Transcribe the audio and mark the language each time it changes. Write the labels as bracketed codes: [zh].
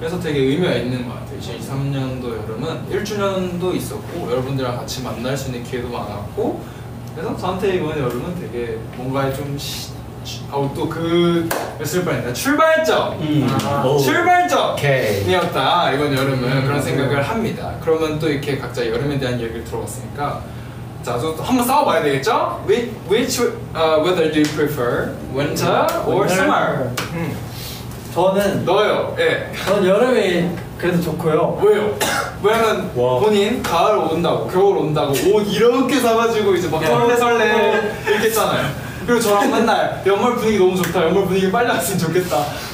[ko] 그래서 되게 의미가 있는 것 같아요. 2023년도 여름은 1주년도 있었고 여러분들이랑 같이 만날 수 있는 기회도 많았고, 그래서 저한테 이번 여름은 되게 뭔가 좀 또 그 몇을 뻔했나 출발점 출발점이었다 이번 여름은 그런 생각을 합니다. 그러면 또 이렇게 각자 여름에 대한 얘기를 들어봤으니까 자, 저 또 한번 싸워봐야 되겠죠? [en] Which weather do you prefer? Winter or summer? [ko] 저는 너요. 예. 저는 여름이 그래도 좋고요. 왜요? 왜냐면 와. 본인 가을 온다고, 겨울 온다고 옷 이렇게 사가지고 이제 막 설레설레 이렇게 했잖아요. 그리고 저랑 맨날 연말 분위기 너무 좋다, 연말 분위기 빨리 왔으면 좋겠다.